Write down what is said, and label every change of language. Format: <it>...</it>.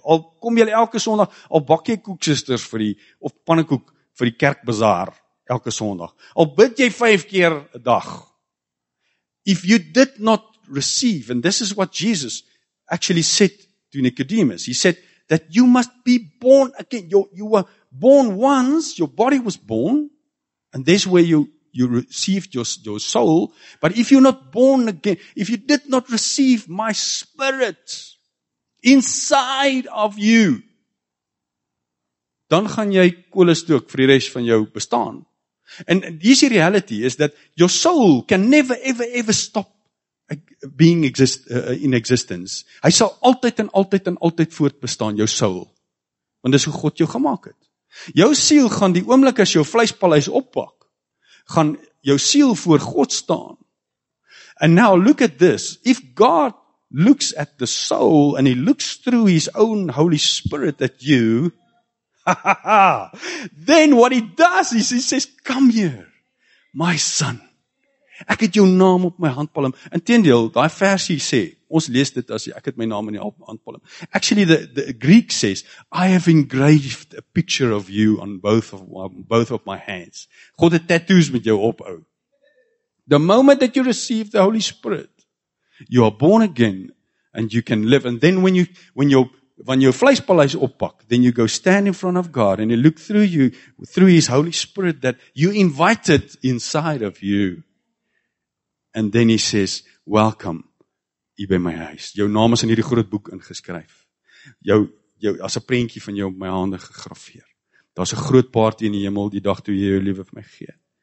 <af>Al kom jy elke Sondag, al bak jy koeksisters vir die of pannekoek vir die kerkbazaar elke Sondag. Al bid jy 5 keer 'n dag.</af> <en>If you did not receive, and this is what Jesus actually said to Nicodemus. He said that you must be born again. You were born once, your body was born, and that's where you received your soul. But if you're not born again, if you did not receive my spirit inside of you,</en> <af>dan gaan jy kolestook vir die res van jou bestaan.</af> <en>And this reality is that your soul can never, ever, ever stop being in existence.</en> <af>Hy sal altyd en altyd en altyd voortbestaan, jou soul. Want dis hoe God jou gemaak het. Jou siel gaan die oomblik as jou vleispaleis oppak, gaan jou siel voor God staan.</af> <en>And now look at this. If God looks at the soul and he looks through his own Holy Spirit at you, then what he does is he says, come here, my son.</en> <af>Ek het jou naam op my handpalm. Inteendeel, daai versie sê, ons lees dit as ek het my naam in die handpalm.</af> <en>Actually, the Greek says, I have engraved a picture of you on both of my hands.</en> <af>God het tattoos met jou op, ou.</af> <en>The moment that you receive the Holy Spirit, you are born again and you can live. And then when your vleispaleis oppak, then you go stand in front of God and he look through you, through his Holy Spirit that you invited inside of you. And then he says, welcome,</en> <af>hier by my huis. Jou naam is in hierdie groot boek ingeskryf. Jou as 'n prentjie van jou op my hande gegraveer. Daar's 'n groot party in die hemel die dag toe jy jou lewe vir my gee.</af>